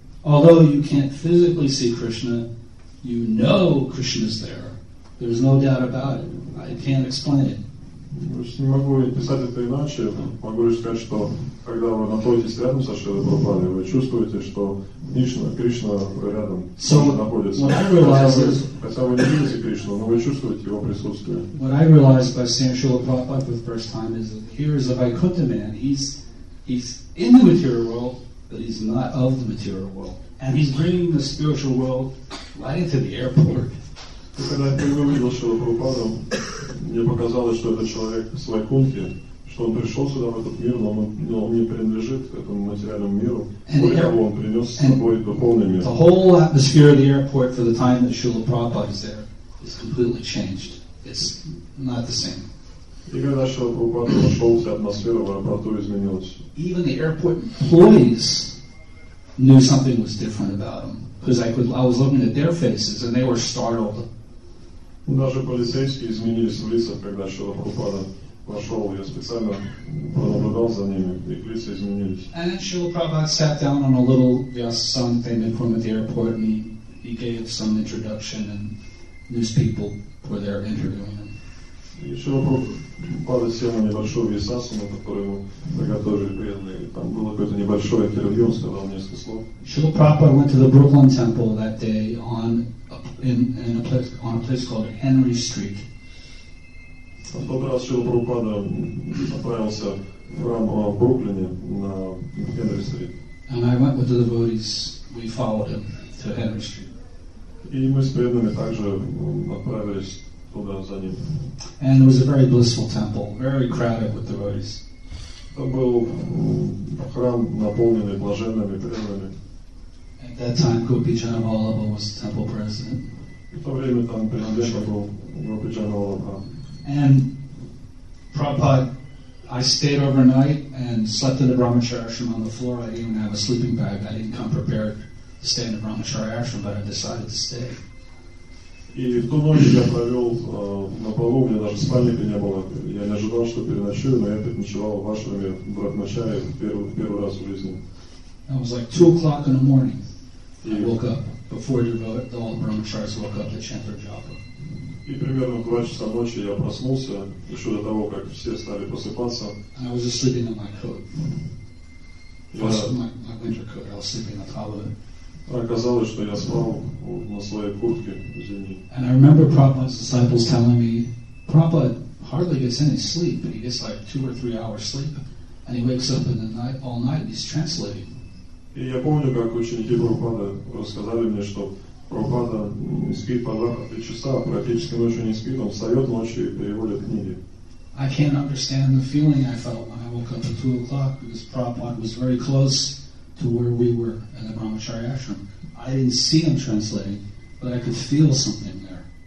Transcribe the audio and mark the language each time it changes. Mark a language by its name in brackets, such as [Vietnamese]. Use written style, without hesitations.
[English] Although you can't physically see Krishna, you know Krishna is there. There's no doubt about it. I can't explain it. [Russian] Не могу написать это иначе. Могу лишь сказать, что когда вы находитесь рядом со Шрила Прабхупадой, вы чувствуете, что Кришна, рядом находится. Хотя вы не видите Кришну, но вы чувствуете его присутствие. [English] What I realized by seeing Shrila Prabhupada for the first time is that here is a Vaikuntha man. He's in the material world, but he's not of the material world. And he's bringing the spiritual world right into the airport. [Russian] Когда я увидел Шрила Прабхупаду, мне показалось, что этот человек с Вайкунтхи, что он пришел сюда, в этот мир, но он не принадлежит этому материальному миру. Более того, он принес с собой духовный мир. [English] The whole atmosphere of the airport for the time that Srila Prabhupada is there is completely changed. It's not the same. [Russian] И когда Шрила Прабхупада вошел, вся атмосфера в аэропорту изменилась. [English] Even the airport employees knew something was different about him. Because I was looking at their faces and they were startled. [Russian] Даже полицейские изменились в лицах, когда Шрила Прабхупада вошел. Я специально пронаблюдал за ними, их лица изменились. [English] And Shrila Prabhupada sat down on a little Vyasasana thing in front of the airport and he gave some introduction and news people were there interviewing him. [Russian] И Шрила Прабхупада сел на небольшую Вьясасану, которую ему приготовили преданные. Там было какое-то небольшое интервью, он сказал несколько слов. [English] Шрила Прабхупада went to the Brooklyn Temple that day on a place called Henry Street. [Russian] В тот раз Шрила Прабхупада отправился в храм в Бруклине на Henry Street. [English] And I went with the devotees, we followed him to Henry Street. [Russian] И мы с преданными также отправились туда за ним. [English] And it was a very blissful temple, very crowded with devotees. [Russian] Это был храм, наполненный блаженными преданными. [English] At that time, Gopi Janavallabha was the temple president. [Russian] В то время там президентом был Гопи Джанавалабха. [English] And Prabhupada, I stayed overnight and slept in the Brahmacharya ashram on the floor. I didn't even have a sleeping bag. I didn't come prepared to stay in the Brahmacharya ashram, but I decided to stay. [Russian] И в ту ночь я провел на полу, у меня даже спальника не было. Я не ожидал, что переночую, но я переночевал в ашраме в Брахмачарье в первый раз в жизни. [English] It was like 2 o'clock in the morning. I woke up before all the Brahmacharis woke up to chant their japa. [Russian] И примерно в 2 часа ночи я проснулся, еще до того, как все стали просыпаться. [English] And I was just sleeping in my coat. My winter coat. I was sleeping on top of it. [Russian] Оказалось, что я спал на своей куртке зимней. [English] And I remember Prabhupada's disciples telling me, Prabhupada hardly gets any sleep, but he gets like 2 or 3 hours sleep, and he wakes up in the night all night and he's translating. [Russian] И я помню, как ученики Прабхупады рассказали мне, что Прабхупада спит по 2-3 часа, а практически ночью не спит, он встает ночью и переводит книги. [English] I can't understand the feeling I felt when I woke up at 2 o'clock, because Prabhupada was very close to where we were in the Brahmacharya ashram. I didn't see him translating, but I could feel something there.